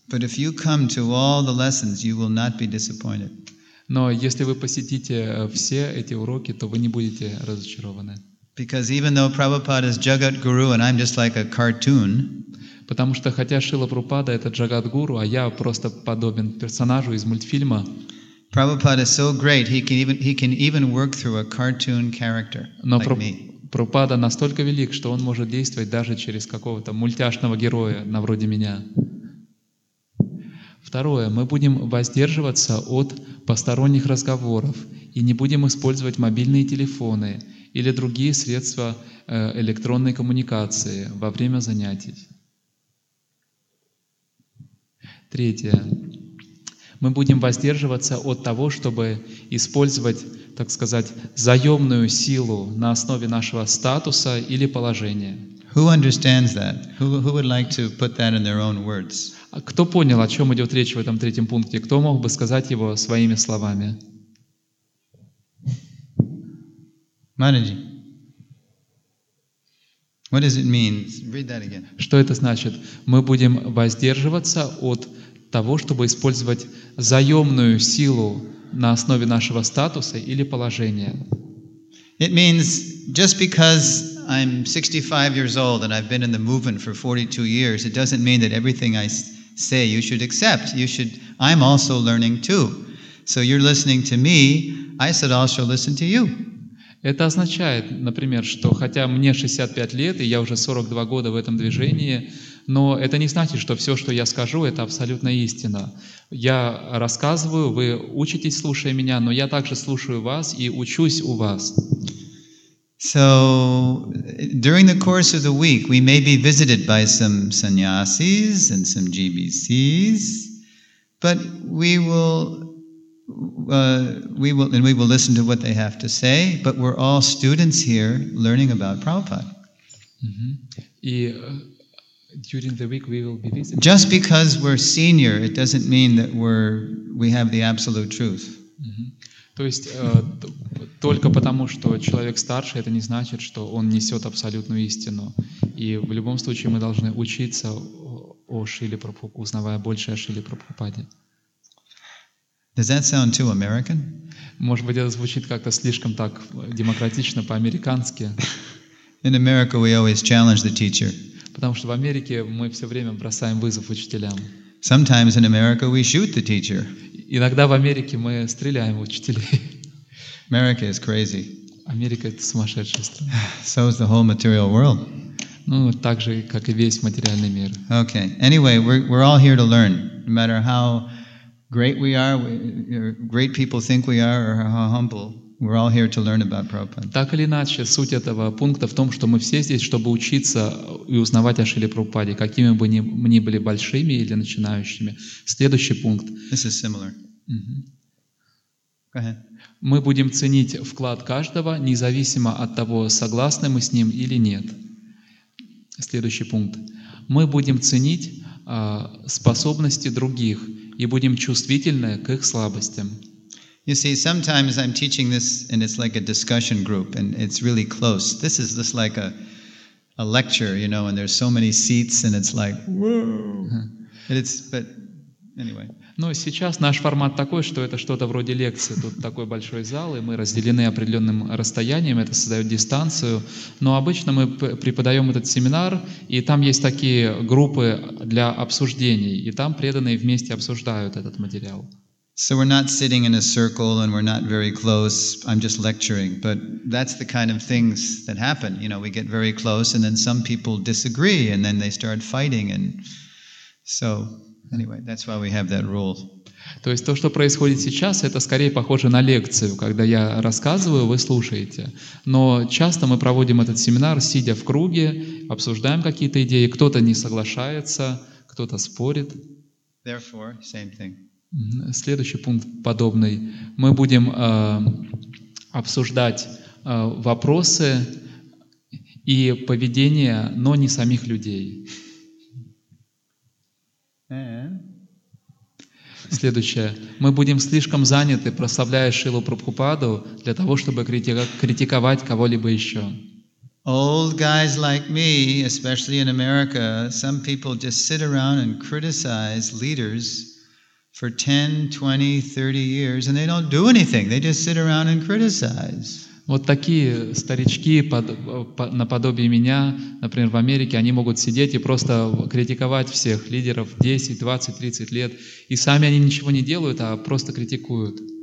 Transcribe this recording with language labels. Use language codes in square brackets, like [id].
[en] But if you come to all the lessons, you will not be disappointed. [ru] Но если вы посетите все эти уроки, то вы не будете разочарованы. [en] Because even though Prabhupada is Jagat Guru and I'm just like a cartoon, [ru] потому что хотя Шрила Прабхупада это Джагат-гуру, а я просто подобен персонажу из мультфильма. [en] Prabhupada is so great, he can even work through a cartoon character like me. [ru] Прабхупада настолько велик, что он может действовать даже через какого-то мультяшного героя, на вроде меня. Второе, мы будем воздерживаться от посторонних разговоров и не будем использовать мобильные телефоны или другие средства электронной коммуникации во время занятий. Третье. Мы будем воздерживаться от того, чтобы использовать, так сказать, заемную силу на основе нашего статуса или положения. [en] Who understands that? Who would like to put that in their own words? [ru] Кто понял, о чем идет речь в этом третьем пункте? Кто мог бы сказать его своими словами? Мараджи. [en] What does it mean? Read that again. [ru] Что это значит? Мы будем воздерживаться от того, чтобы использовать заемную силу на основе нашего статуса или положения. [en] It means just because I'm 65 years old and I've been in the movement for 42 years, it doesn't mean that everything I say you should accept. I'm also learning too. So you're listening to me, I should also listen to you. [ru] Это означает, например, что хотя мне 65 лет, и я уже 42 года в этом движении, но это не значит, что все, что я скажу, это абсолютно истина. Я рассказываю, вы учитесь, слушая меня, но я также слушаю вас и учусь у вас. [en] So, during the course of the week, we may be visited by some sannyasis and some GBCs, but we will listen to what they have to say, but we're all students here learning about Prabhupada. During the week we will be visited. Just because we're senior, it doesn't mean that we have the absolute truth. [ru] То есть только потому, что человек старше, это не значит, что он несет абсолютную истину. И в любом случае мы должны учиться о Шриле Прабхупаде, узнавая больше о Шриле Прабхупаде. [en] Does that sound too American? [ru] Может быть, это звучит как-то слишком так демократично, по-американски. [en] In America, we always challenge the teacher. [ru] Потому что в Америке мы все время бросаем вызов учителям. [en] Sometimes in America we shoot the teacher. [ru] Иногда в Америке мы стреляем в учителей. [en] America is crazy. [ru] Америка — это сумасшедшая страна. [en] So is the whole material world. [ru] Ну, так же, как и весь материальный мир. [en] Okay. Anyway, we're all here to learn, no matter how great we are, great people think we are, or how humble. We're all here to learn about Prabhupada. [ru] Так или иначе, суть этого пункта в том, что мы все здесь, чтобы учиться и узнавать о Шриле Прабхупаде, какими бы ни были большими или начинающими. Следующий пункт. [en] This is similar. Mm-hmm. Go ahead. [ru] Мы будем ценить вклад каждого, независимо от того, согласны мы с ним или нет. Следующий пункт. Мы будем ценить способности других и будем чувствительны к их слабостям. [en] You see, sometimes I'm teaching this and it's like a discussion group and it's really close. This is just like a lecture, you know, and there's so many seats and it's like, whoa! It's, but anyway. [ru] Ну, сейчас наш формат такой, что это что-то вроде лекции. Тут такой большой зал, и мы разделены определенным расстоянием, это создает дистанцию. Но обычно мы преподаем этот семинар, и там есть такие группы для обсуждений, и там преданные вместе обсуждают этот материал. [en] So we're not sitting in a circle and we're not very close. I'm just lecturing. But that's the kind of things that happen. You know, we get very close and then some people disagree and then they start fighting. And so, anyway, that's why we have that rule. [ru] То есть то, что происходит сейчас, это скорее похоже на лекцию. Когда я рассказываю, вы слушаете. Но часто мы проводим этот семинар, сидя в круге, обсуждаем какие-то идеи. Кто-то не соглашается, кто-то спорит. [en] Therefore, same thing. [ru] Следующий пункт подобный. Мы будем обсуждать вопросы и поведение, но не самих людей. Следующее. Мы будем слишком заняты, прославляя Шрилу Прабхупаду, для того, чтобы критиковать кого-либо еще. [en] Old guys like me, especially in America, some people just sit around and criticize leaders for 10, 20, 30 years, and they don't do anything. They just sit around and criticize. [ru] Вот такие старички наподобие меня, например, в Америке, они могут сидеть и просто критиковать всех лидеров 10, 20, 30 лет, и сами они ничего не делают, а просто критикуют.